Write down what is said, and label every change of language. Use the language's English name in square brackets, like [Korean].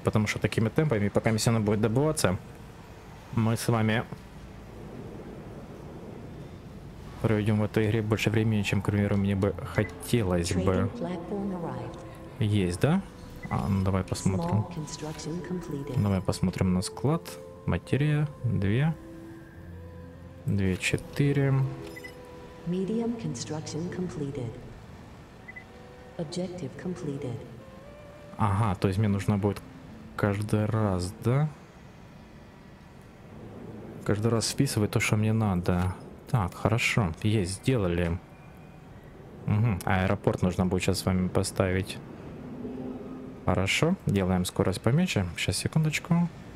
[Russian] Потому что такими темпами, пока все оно будет добываться, мы с вами проведем в этой игре больше времени, чем, к примеру, мне бы хотелось бы. Есть, да? А, ну давай посмотрим. Давай посмотрим на склад. Материя, 2. 2, 4. [English] Medium construction completed. Objective completed. [Russian] Ага, то есть мне нужно будет каждый раз, да? Каждый раз списывать то, что мне надо. Так, хорошо, есть, сделали. Угу, аэропорт нужно будет сейчас с вами поставить. Хорошо, делаем скорость поменьше. Сейчас, секундочку.